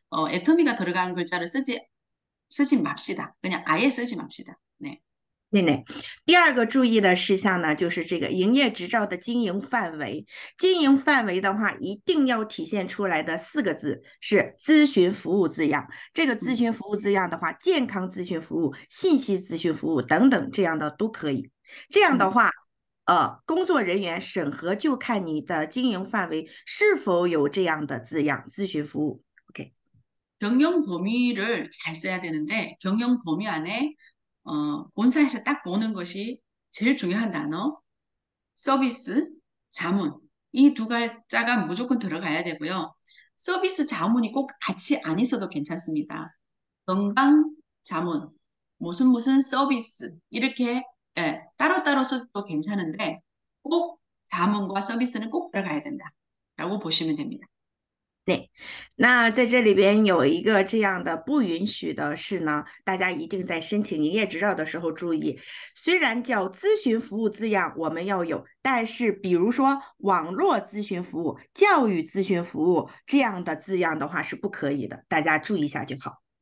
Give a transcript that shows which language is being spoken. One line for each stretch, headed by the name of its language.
Korean: 애터미가 들어간 글자를 쓰지 맙시다. 그냥 아예 쓰지 맙시다. 네. 네.
Chinese: 第二个注意的事项呢，就是这个营业执照的经营范围。经营范围的话，一定要体现出来的四个字是"咨询服务"字样。这个咨询服务字样的话，健康咨询服务、信息咨询服务等等这样的都可以。这样的话，工作人员审核就看你的经营范围是否有这样的字样，咨询服务。 OK。
Korean: 경영 범위를 잘 써야 되는데, 경영 범위 안에 본사에서 딱 보는 것이 제일 중요한 단어, 서비스, 자문. 이두 글자가 무조건 들어가야 되고요. 서비스 자문이 꼭 같이 안 있어도 괜찮습니다. 건강 자문, 무슨 무슨 서비스 이렇게 예, 따로따로 써도 괜찮은데 꼭 자문과 서비스는 꼭 들어가야 된다라고 보시면 됩니다.
Chinese: 对，那在这里边有一个这样的不允许的事呢，大家一定在申请营业执照的时候注意。虽然叫咨询服务字样我们要有，但是比如说网络咨询服务、教育咨询服务这样的字样的话是不可以的，大家注意一下就好。